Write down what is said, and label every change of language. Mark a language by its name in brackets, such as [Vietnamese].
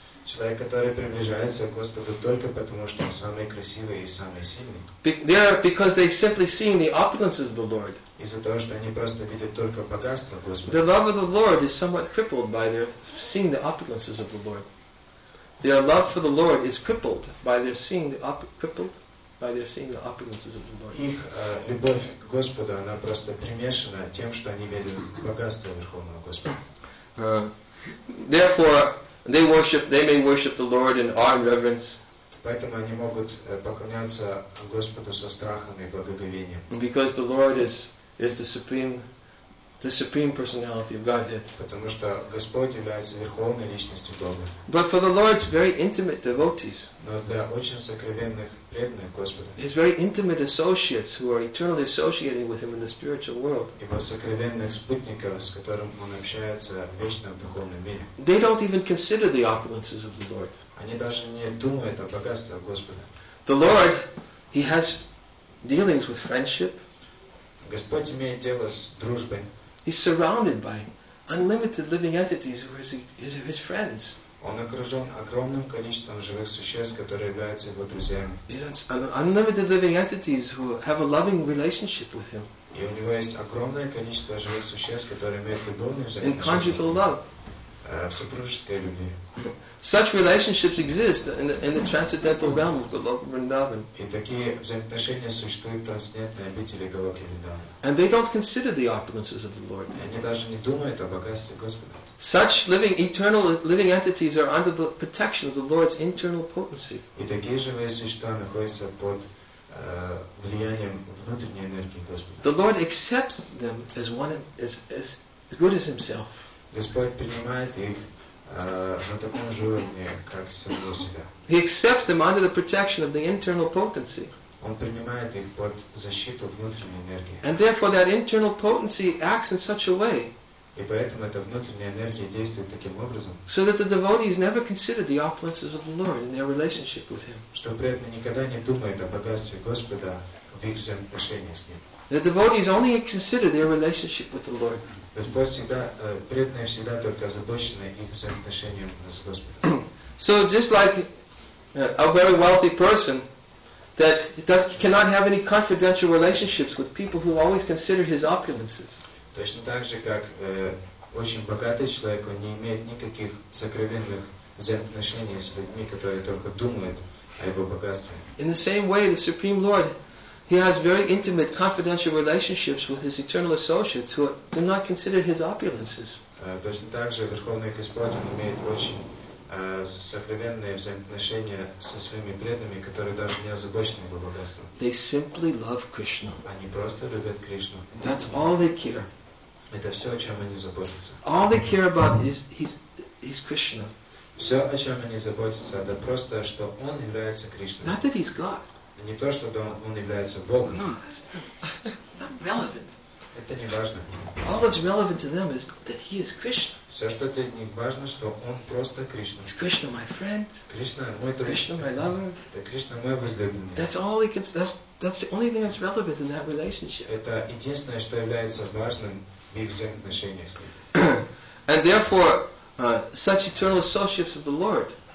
[Russian] Человек, который приближается к Господу только потому, что он самый красивый и самый сильный. [English] Because they simply seeing the opulences of the Lord. [Russian] Из-за того, что они просто видят только богатство Господа. [English] The love of the Lord is somewhat crippled by their seeing the opulences of the Lord. Their love for the Lord is crippled by their seeing the opulences of the Lord. [Russian] Их любовь к Господу она просто примешана тем, что они видят богатство Верховного Господа. [English] Therefore, they may worship the Lord in awe and reverence. [Russian] Поэтому они могут поклоняться Господу со страхом и благоговением. [English] Because the Lord is the supreme personality of Godhead. [Russian] Потому что Господь является верховной личностью Бога. [English] But for the Lord's very intimate devotees. [Russian] Но для очень сокровенных преданных Господа. [English] His very intimate associates who are eternally associating with him in the spiritual world. [Russian] Его сокровенных спутников, с которым он общается вечно в духовном мире. [English] They don't even consider the opulences of the Lord. [Russian] Они даже не думают о богатстве Господа. [English] The Lord, he has dealings with friendship. [Russian] Господь имеет дело с дружбой. [English] He's surrounded by unlimited living entities who are his friends. [Russian] Он окружен огромным количеством живых существ, которые являются его друзьями. [English] He's unlimited living entities who have a loving relationship with him. [Russian] И у него есть огромное количество живых существ, которые имеют любовные взаимоотношения. [English] In conjugal love. [Russian] В супружеской любви. [English] Such relationships exist in the transcendental realm of Goloka Vrindavan. [Russian] И такие взаимоотношения существуют в трансцендентной обители Голоки Вриндавана. [English] And they don't consider the opulences of the Lord. [Russian] И они даже не думают о богатстве Господа. [English] Such living eternal living entities are under the protection of the Lord's internal potency. [Russian] И такие живые существа находятся под влиянием внутренней энергии Господа. [English] The Lord accepts them as one as good as Himself. [Russian] Господь принимает их на таком же уровне, как самого себя. [English] He accepts them under the protection of the internal potency. [Russian] Он принимает их под защиту внутренней энергии. [English] And therefore that internal potency acts in such a way. [Russian] И поэтому эта внутренняя энергия действует таким образом. [English] So that the devotees never consider the opulences of the Lord in their relationship with Him. [Russian] Что преданные никогда не думают о богатстве Господа в их взаимоотношениях с Ним. [English] The devotees only consider their relationship with the Lord. [Russian] Господь всегда, преданные всегда только озабочены их взаимоотношением с Господом. [English] So just like a very wealthy person that cannot have any confidential relationships with people who always consider his opulences. [Russian] Точно так же, как очень богатый человек, он не имеет никаких сокровенных взаимоотношений с людьми, которые только думают о его богатстве. [English] In the same way, the Supreme Lord, He has very intimate, confidential relationships with His eternal associates who do not consider His opulences. [Russian] Точно так же Верховный Господь имеет очень сокровенные взаимоотношения со своими преданными, которые даже не озабочены Его богатством. [English] They simply love Krishna. [Russian] Они просто любят Кришну. [English] That's all they care. [Russian] Это все, о чем они заботятся. [English] All they care about is Krishna. [Russian] Все, о чем они заботятся, это просто, что Он является Кришной. [English] Not that He's God. [Russian] Не то, что он является Богом. [English] No, that's not relevant. [Russian] Это не важно. [English] All that's relevant to them is that he is Krishna. [Russian] Все, что для них важно, что он просто Кришна. [English] He's Krishna, my friend. [Russian] Кришна, мой друг. [English] Krishna, my lover. [Russian] Это Кришна, мой возлюбленный. [English] That's the only thing that's relevant in that relationship. [Russian] Это единственное, что является важным в их взаимоотношениях с ним. [English] And therefore, such eternal associates of the Lord.